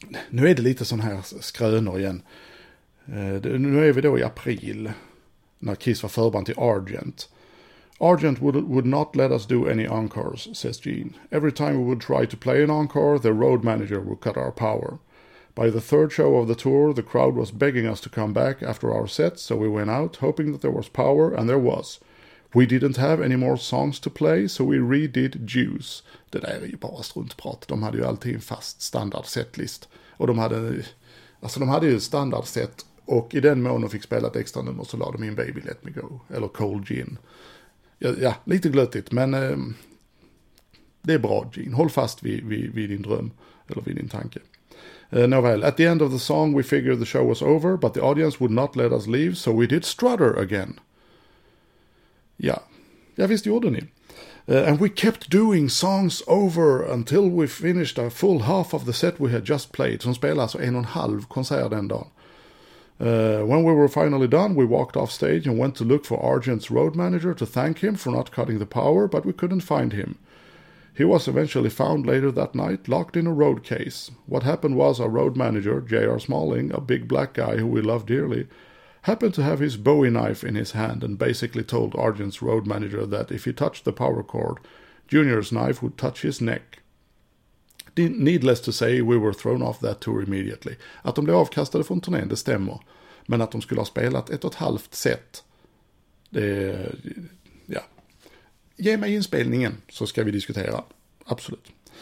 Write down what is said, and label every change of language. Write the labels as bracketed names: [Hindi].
[Swedish] Nu är det lite sån här skrönor igen. Nu är vi då i april när Kiss var förband till Argent. [English] Argent would not let us do any encores, says Gene. Every time we would try to play an encore, the road manager would cut our power. By the third show of the tour, the crowd was begging us to come back after our set, so we went out hoping that there was power, and there was. We didn't have any more songs to play, so we redid Juice. [Swedish] Det där är ju bara struntprat. De hade ju alltid en fast standardsetlist. Och de hade ju standardset. Och i den mån de fick spela ett extra nummer så la de in Baby Let Me Go. Eller Cold Gin. Ja, lite glöttigt. Men det är bra, Gin. Håll fast vid din dröm. Eller vid din tanke. [English] Nåväl, at the end of the song we figured the show was over. But the audience would not let us leave. So we did Strutter again. [Swedish] Ja, Ja, visst gjorde ni. [English] And we kept doing songs over until we finished a full half of the set we had just played. [Swedish] Som spelade alltså en och en halv konsert den dagen. [English] When we were finally done, we walked off stage and went to look for Argent's road manager to thank him for not cutting the power, but we couldn't find him. He was eventually found later that night, locked in a road case. What happened was our road manager, J.R. Smalling, a big black guy who we love dearly, happened to have his Bowie knife in his hand and basically told Argent's road manager that if he touched the power cord, Junior's knife would touch his neck. Needless to say, we were thrown off that tour immediately. [Swedish] Att de blev avkastade från turnén, det stämmer. Men att de skulle ha spelat ett och ett halvt set, det är... Ja. Ge mig inspelningen så ska vi diskutera. Absolut.